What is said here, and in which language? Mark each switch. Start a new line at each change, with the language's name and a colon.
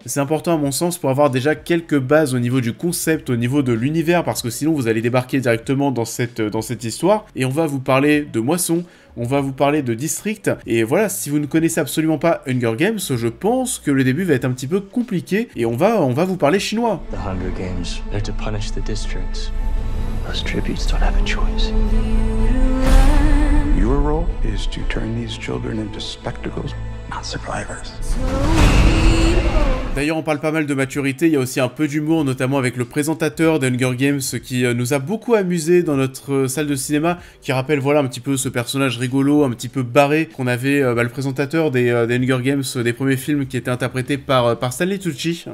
French: C'est important à mon sens pour avoir déjà quelques bases au niveau du concept, au niveau de l'univers, parce que sinon vous allez débarquer directement dans cette histoire, et on va vous parler de Moisson, on va vous parler de District, et voilà, si vous ne connaissez absolument pas Hunger Games, je pense que le début va être un petit peu compliqué, et on va vous parler chinois.
English: The Hunger Games, they're to punish the districts. Those tributes don't have a choice. Your role is to turn these children into spectacles, not survivors.
French: D'ailleurs, on parle pas mal de maturité, il y a aussi un peu d'humour, notamment avec le présentateur d'Hunger Games, qui nous a beaucoup amusé dans notre salle de cinéma, qui rappelle voilà un petit peu ce personnage rigolo, un petit peu barré, qu'on avait le présentateur des Hunger Games, des premiers films, qui était interprété par Stanley Tucci.